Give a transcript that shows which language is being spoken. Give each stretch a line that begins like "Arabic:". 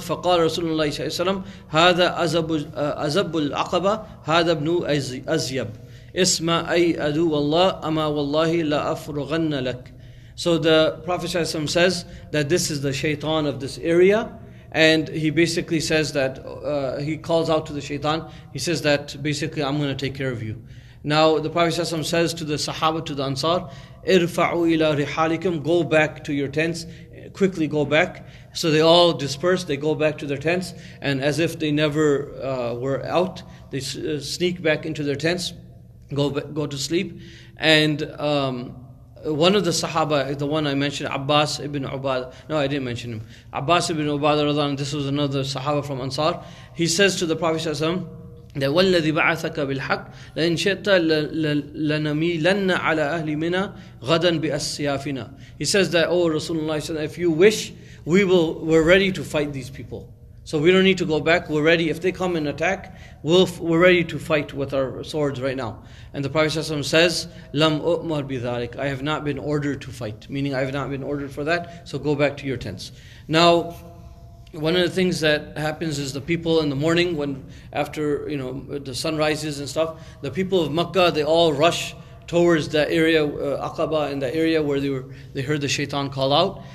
Arabic: فقال رسول الله صلى الله عليه وسلم هذا أزب العقبة هذا ابن أزيب اسم أي عدو الله أما والله لا أفرغن لك.
English: So the Prophet says that this is the shaitan of this area. And he basically says that, he calls out to the shaitan. He says that, basically, I'm going to take care of you. Now, the Prophet ﷺ says to the Sahaba, to the Ansar,
Arabic: "Irfa'u ila rihalikum,"
English: go back to your tents, quickly go back. So they all disperse, they go back to their tents, and as if they never were out, they sneak back into their tents, go to sleep. And one of the Sahaba, the one I mentioned, Abbas ibn Ubadah. No, I didn't mention him. Abbas ibn Ubadah, this was another Sahaba from Ansar.
Arabic: He says to the Prophet that وَالَّذِي بَعَثَكَ بِالْحَقِّ لَإِنْ شَئْتَ لَنَمِيلَنَّ عَلَىٰ أَهْلِ مِنَا غَدًا بِأَسْيَافِنَا.
English: He says that, "Oh, Rasulullah, if you wish, we're ready to fight these people. So we don't need to go back. We're ready. If they come and attack, we're ready to fight with our swords right now." And the Prophet ﷺ says,
Arabic: "Lam u'mar bi dhalik."
English: I have not been ordered to fight. Meaning, I have not been ordered for that. So go back to your tents. Now, one of the things that happens is the people in the morning, when after the sun rises and stuff, the people of Makkah, they all rush towards that area, Aqaba, and that area where they heard the shaitan call out.